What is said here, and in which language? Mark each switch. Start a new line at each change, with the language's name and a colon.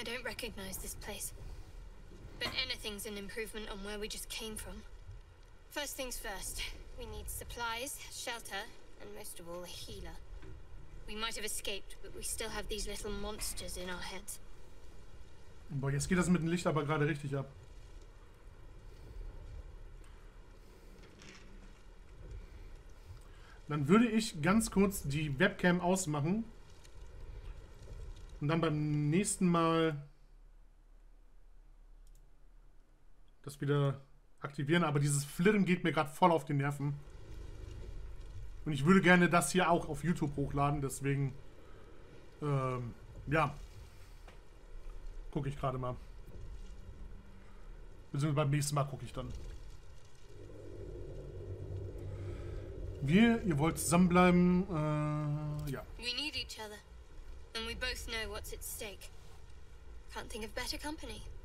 English: I don't recognize this place. But anything's an improvement on where we just came from. First things first. We need supplies, shelter, and most of all a healer. We might have escaped, but we still have these little monsters in our heads.
German: Boah, jetzt geht das mit dem Licht aber gerade richtig ab. Dann würde ich ganz kurz die Webcam ausmachen. Und dann beim nächsten Mal das wieder aktivieren. Aber dieses Flirren geht mir gerade voll auf die Nerven. Und ich würde gerne das hier auch auf YouTube hochladen. Deswegen, ja. Gucke ich gerade mal. Beziehungsweise beim nächsten Mal gucke ich dann. Wir, ihr wollt zusammenbleiben. Ja.
English: We need each other. And we both know what's at stake. Can't think of better company.